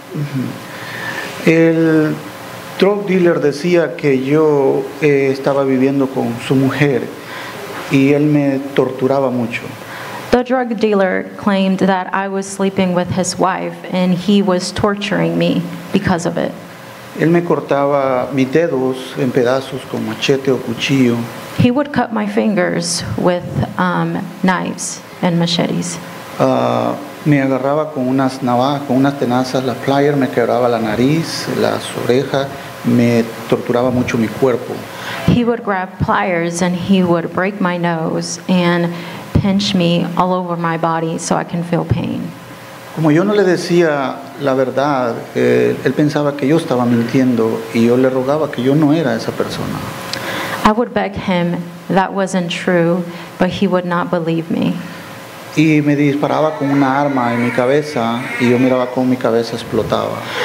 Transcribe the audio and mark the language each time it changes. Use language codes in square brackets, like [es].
[es] Mm-hmm. El drug dealer decía que yo estaba viviendo con su mujer y él me torturaba mucho. [en] The drug dealer claimed that I was sleeping with his wife and he was torturing me because of it. [es] Él me cortaba mis dedos en pedazos con machete o cuchillo. [en] He would cut my fingers with knives and machetes. [es] Me agarraba con unas navajas, con unas tenazas, las pliers, me quebraba la nariz, las orejas. Me torturaba mucho mi cuerpo. [en] He would grab pliers and he would break my nose and pinch me all over my body so I can feel pain. [es] Como yo no le decía la verdad, él pensaba que yo estaba mintiendo y yo le rogaba que yo no era esa persona. [en] I would beg him that wasn't true, but he would not believe me. [es] Y me disparaba con una arma en mi cabeza y yo miraba cómo mi cabeza explotaba.